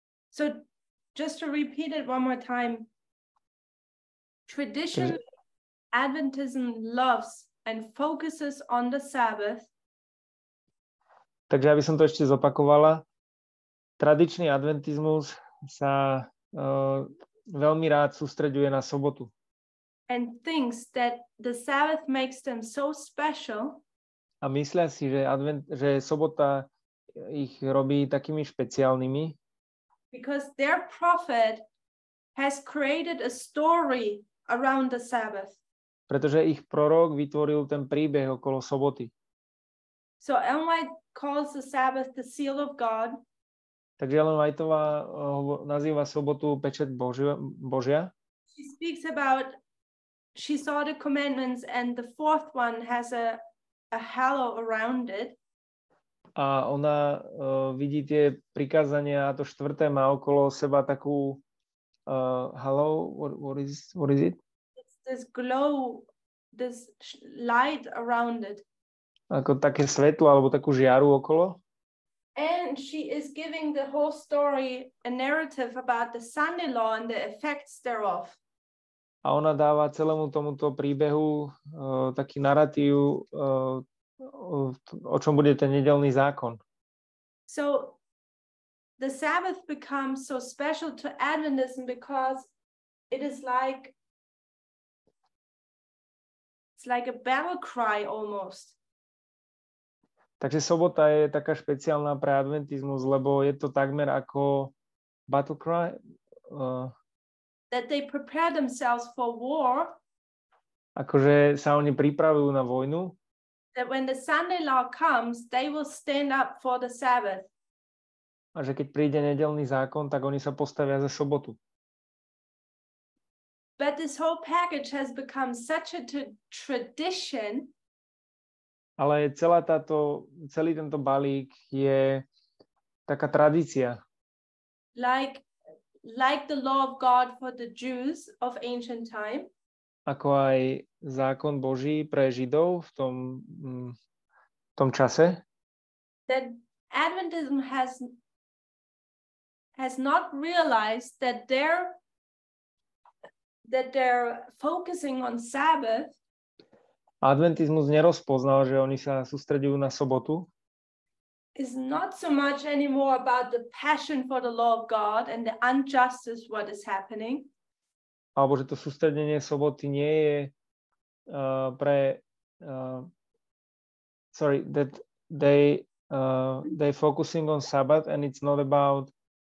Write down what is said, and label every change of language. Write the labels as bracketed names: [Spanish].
[English] So, just to repeat it one more time. Tradition, Adventism loves and focuses on the Sabbath. [Slovak] Takže aby som to ešte zopakovala. Tradičný adventizmus sa veľmi rád sústreďuje na sobotu. [English] And thinks that the Sabbath makes them so special. [Slovak] A myslia si, že sobota ich robí takými špeciálnymi. [English] Because their prophet has created a story around the Sabbath. [Slovak] Pretože ich prorok vytvoril ten príbeh okolo soboty. [English] So Ellen White calls the Sabbath the seal of God. [Slovak] Takže Ellen Whiteová nazýva sobotu pečet Božia. [English] She speaks about, she saw the commandments and the fourth one has a halo around it. [Slovak] A ona vidí tie prikázania a to štvrté má okolo seba takú halo, [English] what is it? It's this glow, this light around it. [Slovak] Ako také svetlo alebo takú žiaru okolo. [English] And she is giving the whole story a narrative about the Sunday law and the effects thereof. [Slovak] A ona dáva celému tomuto príbehu taký narratív, o čom bude ten nedelný zákon. [English] So the Sabbath becomes so special to Adventism because it's like a battle cry almost. [Slovak] Takže sobota je taká špeciálna pre adventizmus, lebo je to takmer ako battle cry. [English] That they prepare themselves for war. [Slovak] Akože sa oni pripravujú na vojnu. [English] That when the Sunday law comes, they will stand up for the Sabbath. [Slovak] A že keď príde nedelný zákon, tak oni sa postavia za sobotu. [English] But this whole package has become such a tradition. [Slovak] Ale celý tento balík je taká tradícia. [English] Like the law of God for the Jews of ancient time. [Slovak] Ako aj zákon Boží pre Židov v tom, tom čase. [English] That Adventism has not realized that they're focusing on Sabbath. [Slovak] Adventizmus nerozpoznal, že oni sa sústredujú na sobotu. [English] Is not so much anymore about the passion for the law of God and the injustice what is happening. [Slovak] Alebo že to sústredenie soboty nie je [English] they focusing on Sabbath and it's not about